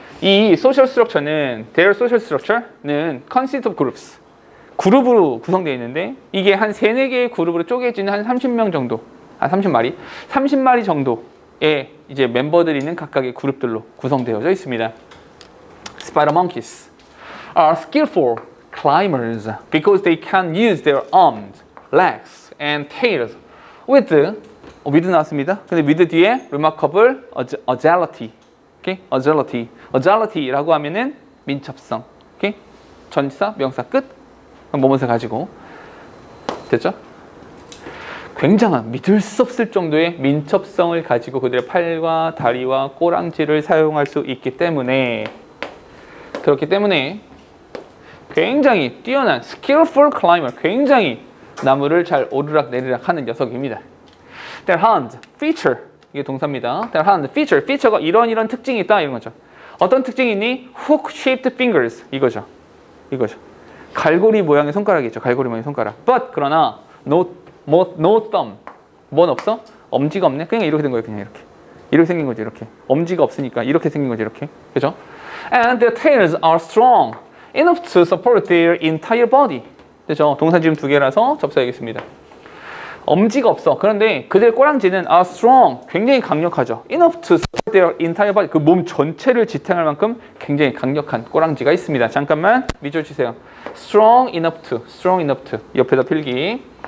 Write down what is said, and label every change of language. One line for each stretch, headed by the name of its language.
English: 이 social structure는, their social structure는 consist of groups.
Korean: 그룹으로 구성되어 있는데, 이게 한 3, 4개의 그룹으로 쪼개지는 한 30명 정도. 아, 30마리? 30마리 정도의 이제 멤버들이 있는 각각의 그룹들로 구성되어져 있습니다.
English: Spider monkeys are skillful climbers because they can use their arms, legs, and tails with,
Korean: 나왔습니다.
English: 근데 with 뒤에 remarkable agility. Okay? Agility.
Korean: Agility라고 하면은 민첩성. Okay? 전치사, 명사 끝. 뭐뭐서 가지고. 됐죠? 굉장한, 믿을 수 없을 정도의 민첩성을 가지고 그들의 팔과 다리와 꼬랑지를 사용할 수 있기 때문에, 그렇기 때문에 굉장히 뛰어난 skillful climber, 굉장히 나무를 잘 오르락 내리락 하는 녀석입니다.
English: Their hand feature,
Korean: 이게 동사입니다. Their hand feature, feature가 이런 특징이 있다 이런 거죠. 어떤 특징이 있니?
English: Hook shaped fingers, 이거죠. 이거죠.
Korean: 갈고리 모양의 손가락이죠. 갈고리 모양의 손가락. But 그러나
English: no thumb.
Korean: 뭔 없어? 엄지가 없네. 그냥 이렇게 된 거예요. 그냥 이렇게. 이렇게 생긴 거죠. 이렇게. 엄지가 없으니까 이렇게 생긴 거죠. 이렇게. 그죠?
English: And their tails are strong enough to support their entire body.
Korean: 그죠? 동사 지금 두 개라서 접사하겠습니다. 엄지가 없어. 그런데 그들의 꼬랑지는
English: are strong.
Korean: 굉장히 강력하죠.
English: enough to support their entire body.
Korean: 그 몸 전체를 지탱할 만큼 굉장히 강력한 꼬랑지가 있습니다. 잠깐만 밑줄 치세요.
English: strong enough to. strong enough to.
Korean: 옆에다 필기.